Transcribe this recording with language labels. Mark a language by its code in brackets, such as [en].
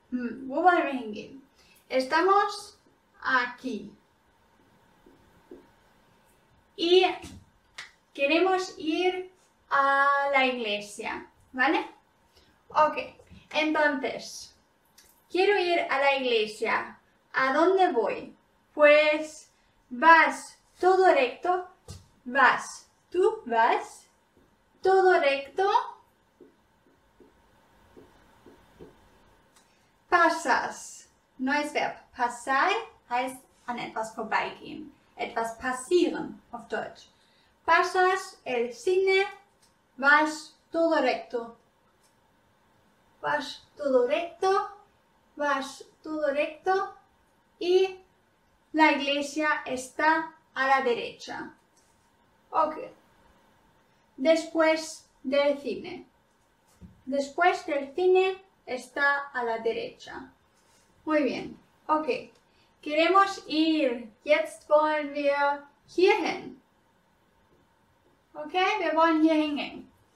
[de] Wo wollen wir hingehen? [es] Estamos aquí. Y queremos ir a la iglesia, ¿vale? Ok, entonces, quiero ir a la iglesia. ¿A dónde voy? Pues vas todo recto, vas, tú vas todo recto, pasas, no es verb, pasar [de] heißt an etwas vorbeigehen, etwas passieren auf Deutsch. [es] Pasas el cine, vas todo recto, vas todo recto, vas todo recto y la iglesia está a la derecha. Ok. Después del cine. Después del cine está a la derecha. Muy bien. Ok. Queremos ir. [de] Jetzt wollen wir hierhin. Ok. Wir wollen hierhin gehen.